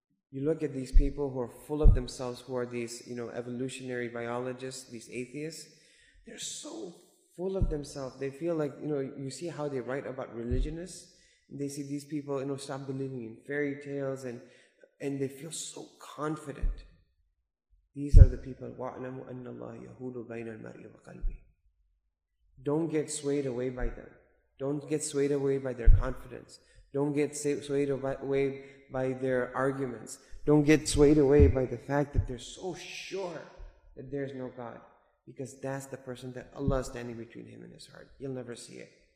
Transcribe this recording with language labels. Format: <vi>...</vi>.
<en>You look at these people who are full of themselves, who are these, evolutionary biologists, these atheists, they're so full of themselves. They feel like, you see how they write about religionists, and they see these people, stop believing in fairy tales, and they feel so confident. These are the people,</en> <ar>وَعْلَمُ أَنَّ اللَّهَ يَهُولُ بَيْنَ الْمَرْءِ وَقَلْبِ.</ar> <en>Don't get swayed away by them. Don't get swayed away by their confidence. Don't get swayed away by their arguments. Don't get swayed away by the fact that they're so sure that there's no God. Because that's the person that Allah is standing between him and his heart. You'll never see it.</en>